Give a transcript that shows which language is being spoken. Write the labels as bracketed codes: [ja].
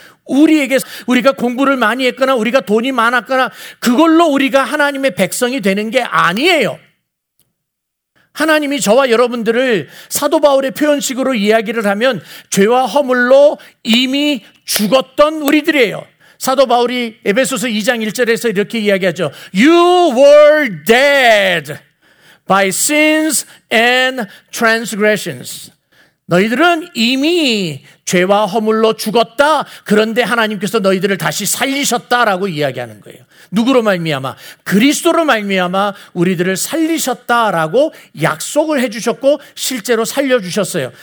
[ko] 우리에게 우리가 공부를 많이 했거나 우리가 돈이 많았거나 그걸로 우리가 하나님의 백성이 되는 게 아니에요. 하나님이 저와 여러분들을 사도 바울의 표현식으로 이야기를 하면 죄와 허물로 이미 죽었던 우리들이에요. 사도 바울이 에베소서 2장 1절에서 이렇게 이야기하죠. [en] You were dead by sins and transgressions. [ko] 너희들은 이미 죄와 허물로 죽었다. 그런데 하나님께서 너희들을 다시 살리셨다라고 이야기하는 거예요. 누구로 말미암아? 그리스도로 말미암아 우리들을 살리셨다라고 약속을 해주셨고 실제로 살려주셨어요.